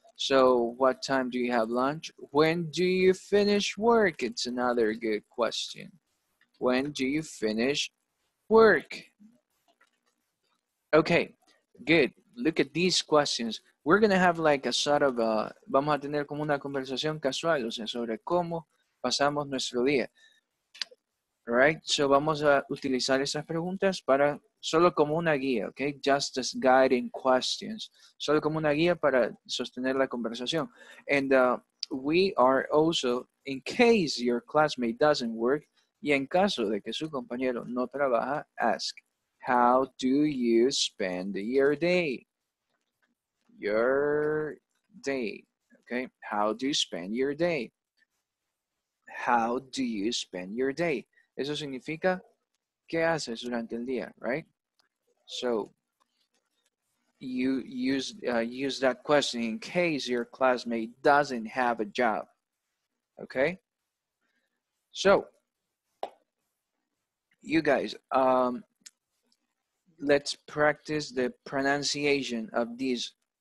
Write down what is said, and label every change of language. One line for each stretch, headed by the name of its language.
English: So what time do you have lunch? When do you finish work? It's another good question. When do you finish work? Okay, good. Look at these questions. We're going to have like a sort of a...
Spanish: Vamos a tener como una conversación casual, o sea, sobre cómo pasamos nuestro día.
English: Right? So
Spanish: vamos a utilizar esas preguntas para... Solo como una guía, okay?
English: Just as guiding questions.
Spanish: Solo como una guía para sostener la conversación.
English: And we are also, in case your classmate doesn't work,
Spanish: y en caso de que su compañero no trabaja,
English: ask. How do you spend your day? Your day, okay? How do you spend your day? How do you spend your day?
Spanish: Eso significa, ¿qué haces durante el día, right?
English: So, you use that question in case your classmate doesn't have a job. Okay. So, you guys, let's practice the pronunciation of these.